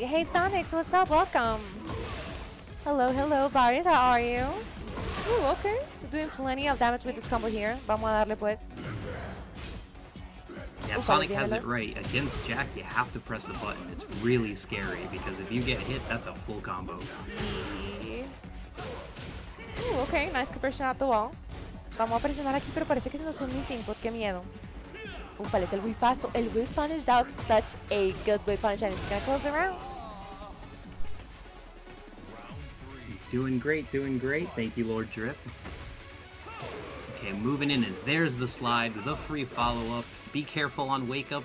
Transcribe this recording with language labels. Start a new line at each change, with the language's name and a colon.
English: Hey, Sonix, what's up? Welcome. Hello, hello, Baris, how are you? Ooh, okay, doing plenty of damage with this combo here.
Spanish: Vamos a darle pues.
English: Yeah, Sonic has it right. Against Jack, you have to press a button. It's really scary, because if you get hit, that's a full combo. Ooh, okay, nice compression out the wall.
Spanish: Vamos a presionar aquí, pero parece que se nos fue mi sin, porque miedo. Upa, es el whiff paso.
English: El whiff punish, that was such a good whiff punish, and it's gonna close the round. Doing great, doing great. Thank you, Lord Drip. Okay, moving in, and there's the slide, the free follow-up. Be careful on wake up.